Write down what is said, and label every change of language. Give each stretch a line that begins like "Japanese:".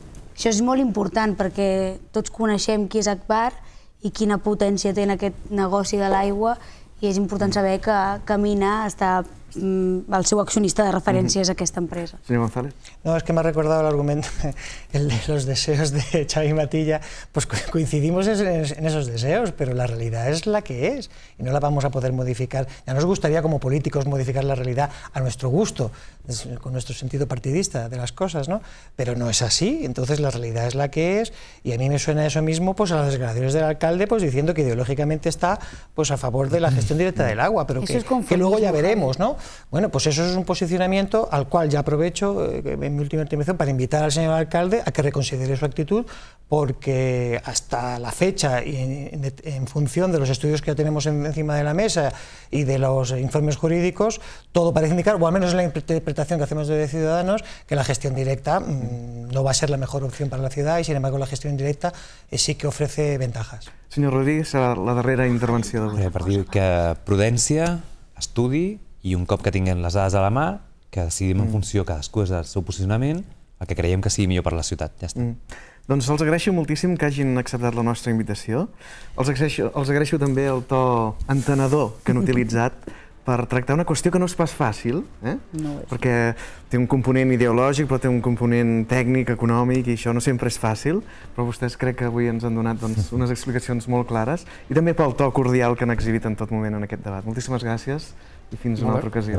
Catalan: Això és molt important perquè tots coneixem qui és Agbar i quina potència té en aquest negoci de l'aigua i és important saber que Camina està el seu accionista de referència és aquesta empresa. Senyor González. No, és que m'ha recordat l'argument
Spanish: de los deseos
Catalan: de Xavi Matilla.
Spanish: Pues coincidimos en esos deseos, pero la realidad es la que es y no la vamos a poder modificar. Ya nos gustaría como políticos modificar la realidad a nuestro gusto, con nuestro sentido partidista de las cosas, ¿no? Pero no es así, entonces la realidad es la que es y a mí me suena eso mismo pues a las declaraciones del alcalde pues diciendo que ideológicamente está pues a favor de la gestión directa del agua, pero que luego ya veremos, ¿no? Bueno, pues eso es un posicionamiento al cual ya aprovecho en mi última intervención para invitar al señor alcalde a que reconsidere su actitud, porque hasta la fecha y en función de los estudios que ya tenemos encima de la mesa y de los informes jurídicos, todo parece indicar, o al menos en la interpretación que hacemos desde Ciudadanos, que la gestión directa no va a ser la mejor opción para la ciudad y sin embargo la gestión indirecta sí que ofrece ventajas. Señor Rodríguez, la darrera intervención.
Catalan: A partir que prudencia, estudi, i un cop que tinguem les dades a la mà, que decidim en funció cadascú és del seu posicionament, el que creiem que sigui millor per la ciutat. Ja està. Doncs els agraeixo moltíssim que hagin acceptat la nostra invitació. Els agraeixo també el to entenedor que han utilitzat per tractar una qüestió que no és pas fàcil, perquè té un component ideològic, però té un component tècnic, econòmic, i això no sempre és fàcil, però vostès crec que avui ens han donat unes explicacions molt clares, i també pel to cordial que han exhibit en tot moment en aquest debat. Moltíssimes gràcies i fins una altra ocasió.